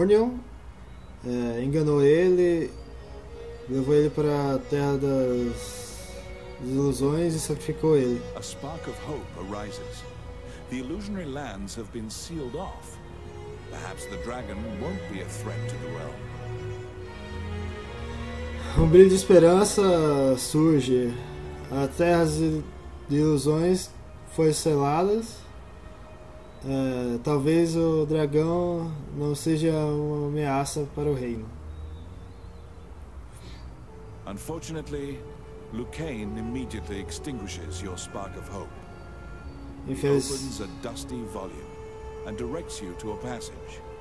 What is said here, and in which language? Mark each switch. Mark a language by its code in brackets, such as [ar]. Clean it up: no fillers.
[pt] Mornion enganou ele, levou ele para a terra das ilusões e sacrificou ele. [en] A spark of hope arises. The illusionary lands have been sealed off. Perhaps the dragon won't be a threat to the realm. [pt] Um brilho de esperança surge. A terra de ilusões foi seladas. Talvez o dragão não seja uma ameaça para o reino. [en] Unfortunately, Lucane immediately extinguishes your spark of hope. Opens a dusty volume and directs you to a passage.